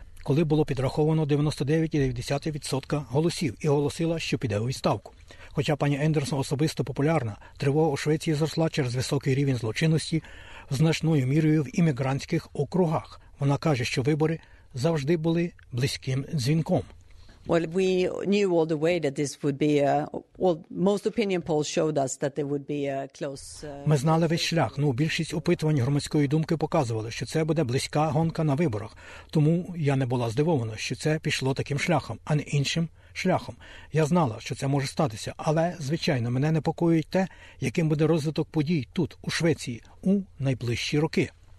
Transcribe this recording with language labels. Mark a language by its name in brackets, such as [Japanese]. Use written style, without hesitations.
[Ukrainian] коли було підраховано 99,9% голосів і оголосила, що піде у відставку. Хоча пані Ендерсон особисто популярна, тривога у Швеції зросла через високий рівень злочинності значною мірою в іммігрантських округах. Вона каже, що вибори завжди були близьким дзвінком. [English] Well, we knew all the way that this would be a well, most opinion polls showed us that there would be a close. [Ukrainian] Ми знали весь шлях. Ну, більшість опитувань громадської думки показували, що це буде близька гонка на виборах. Тому я не була здивована, що це пішло таким шляхом, а не іншим шляхом. Я знала, що це може статися, але звичайно, мене непокоїть те, яким буде розвиток подій тут, у Швеції, у найближчі роки.